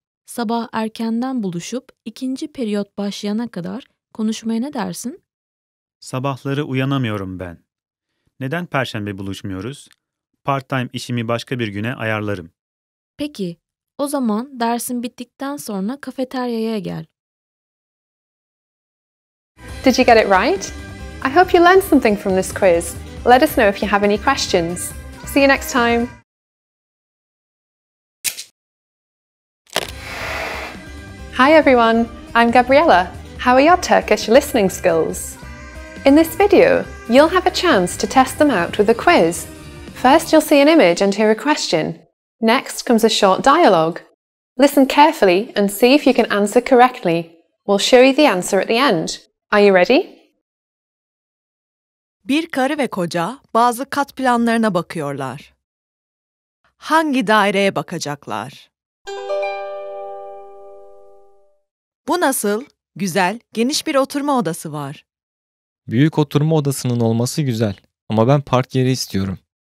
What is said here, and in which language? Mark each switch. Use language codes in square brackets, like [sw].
[tr] Sabah erkenden buluşup 2. periyot başlayana kadar konuşmaya ne dersin? Sabahları uyanamıyorum ben. Neden perşembe buluşmuyoruz? part-time işimi başka bir güne ayarlarım. Peki, o zaman dersin bittikten sonra kafeteryaya gel. [en] Did you get it right? I hope you learned something from this quiz. Let us know if you have any questions. See you next time. Hi everyone, I'm Gabriella. How are your Turkish listening skills? In this video, you'll have a chance to test them out with a quiz. First, you'll see an image and hear a question. Next comes a short dialogue. Listen carefully and see if you can answer correctly. We'll show you the answer at the end. Are you ready? [tr] Bir karı ve koca bazı kat planlarına bakıyorlar. Hangi daireye bakacaklar? Bu nasıl? Güzel, geniş bir oturma odası var. Büyük oturma odasının olması güzel ama ben park yeri istiyorum.